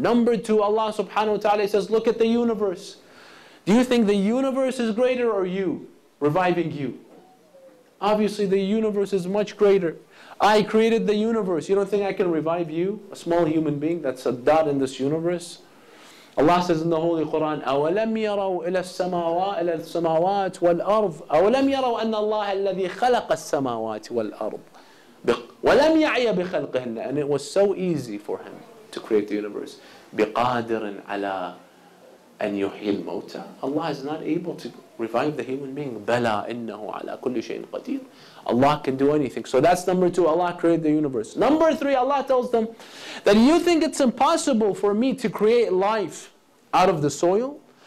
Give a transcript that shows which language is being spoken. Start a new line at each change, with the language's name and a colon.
English: Number two, Allah subhanahu wa ta'ala says, look at the universe. Do you think the universe is greater or you, reviving you? Obviously, the universe is much greater. I created the universe. You don't think I can revive you, a small human being that's a dot in this universe? Allah says in the Holy Quran,
Arabic: أَوَلَمْ يَرَوْا إِلَى السَّمَاوَاتِ وَالْأَرْضِ أَوَلَمْ يَرَوْا أَنَّ اللَّهَ الَّذِي خَلَقَ السَّمَاوَاتِ وَالْأَرْضِ وَلَمْ يَعْيَ بِخَلْقِهِنَّ.
English: And it was so easy for him to create the universe.
Arabic: بِقَادِرٍ عَلَىٰ أَنْ يُحْيِي الْمَوْتَى.
English: Allah is not able to revive the human being.
Arabic: بَلَىٰ إِنَّهُ عَلَىٰ كُلِّ شَيْءٍ قَدِيرٌ.
English: Allah can do anything. So that's number two, Allah created the universe. Number three, Allah tells them that you think it's impossible for me to create life out of the soil?